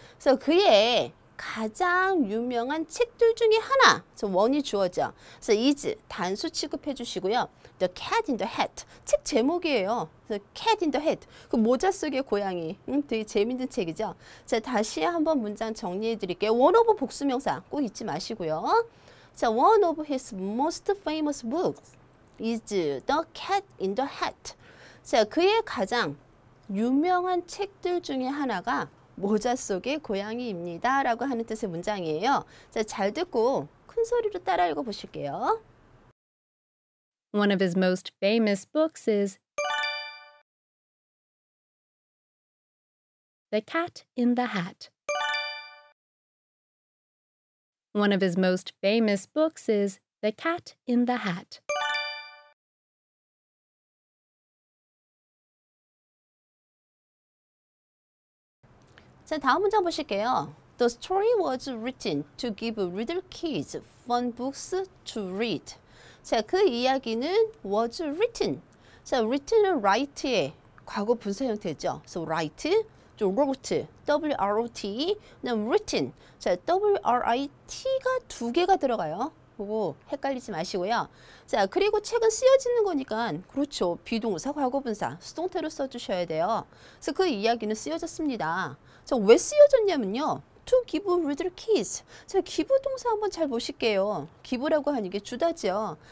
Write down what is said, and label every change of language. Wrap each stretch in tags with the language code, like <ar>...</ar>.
<ko>그래서 그의 가장 유명한 책들 중에 하나, 저 원이 주어져. 그래서 is 단수 취급해 주시고요. The Cat in the Hat 책 제목이에요. 그래서 Cat in the Hat 그 모자 속의 고양이. 되게 재밌는 책이죠. 자, 다시 한번 문장 정리해 드릴게요. One of 복수명사 꼭 잊지 마시고요.</ko> <en>자, one of his most famous books is The Cat in the Hat.</en> <ko>자, 그의 가장 유명한 책들 중에 하나가 모자 속의 고양이입니다 라고 하는 뜻의 문장이에요. 자, 잘 듣고 큰 소리로 따라 읽어 보실게요.</ko> <en>One of his most famous books is The Cat in the Hat. One of his most famous books is The Cat in the Hat.</en> <ko>So, 다음 문장 보실게요.</ko> <en>The story was written to give little kids fun books to read.</en> <ko>So, 그 이야기는</ko> <en>was written.</en> <ko>So, written은 write의 과거 분사 형태죠. So, write, wrote, W-R-O-T, then written. So, W-R-I-T가 두 개가 들어가요. 그거 헷갈리지 마시고요. 자, 그리고 책은 쓰여지는 거니까 그렇죠. 비동사, 과거분사, 수동태로 써주셔야 돼요. 그래서 그 이야기는 쓰여졌습니다. 자, 왜 쓰여졌냐면요.</ko> <en>To give little kids.</en> <ko>자, give 동사 한번 잘 보실게요. give라고 하는 게 주다죠.</ko>